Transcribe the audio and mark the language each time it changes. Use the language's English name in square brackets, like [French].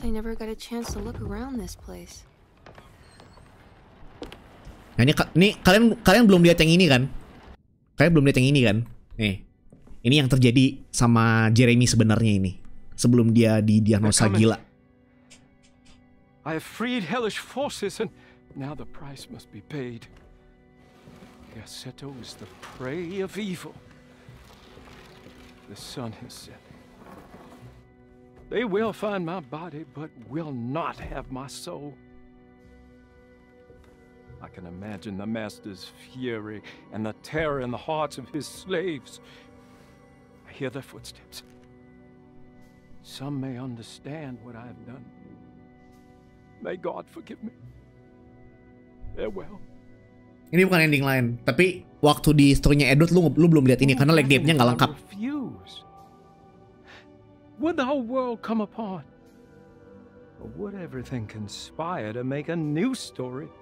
[English] I never got a chance to look around this place. [Indonesian] Nah, ini kalian belum lihat yang ini kan? Kalian belum lihat yang ini kan? Nih. Ini yang terjadi sama Jeremy sebenarnya ini. Sebelum dia didiagnosa gila. [English] I have freed hellish forces and now the price must be paid. Gassetto is the prey of evil. The sun has set. They will find my body but will not have my soul. I can imagine the master's fury and the terror in the hearts of his slaves. I hear their footsteps. Some may understand what I have done. May God forgive me. Farewell. [Indonesian] Ini bukan ending lain, tapi waktu di story-nya Edward lu belum lihat ini karena leg gap-nya enggak lengkap. [English] Would the whole world come upon? Or would everything conspire to make a new story?